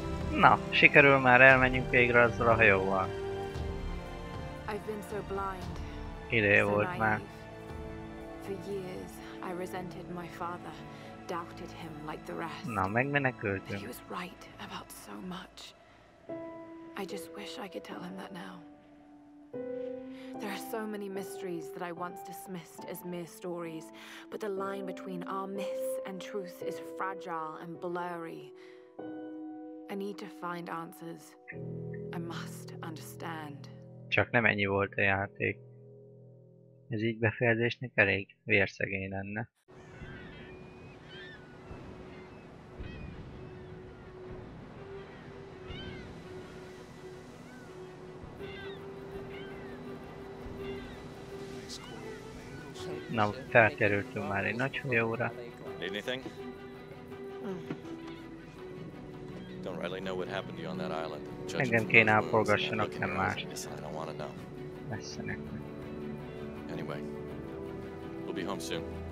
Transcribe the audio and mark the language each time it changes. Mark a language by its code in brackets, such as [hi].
[hu] Na, sikerül már elmenjünk végre azzal a hajóval. [en] I've been so blind. [hu] Ideje volt már. [en] For years, I resented my father, doubted him like the rest. [hu] Na, megmenekültünk. [en] But he was right about so much. I just wish I could tell him that now. There are so many mysteries that I once dismissed as mere stories, but the line between our myths and truth is fragile and blurry. I need to find answers. I must understand. [hu] Csak nem ennyi volt a játék. Ez így befejezésnek elég vérszegény lenne. Na, felkerültünk már egy nagy hajóra. [en] Don't really know what happened to you on that island. [hu] Engem kéne ápolgassanak, nem mást. Messze nekem. [en] Anyway, we'll be home soon.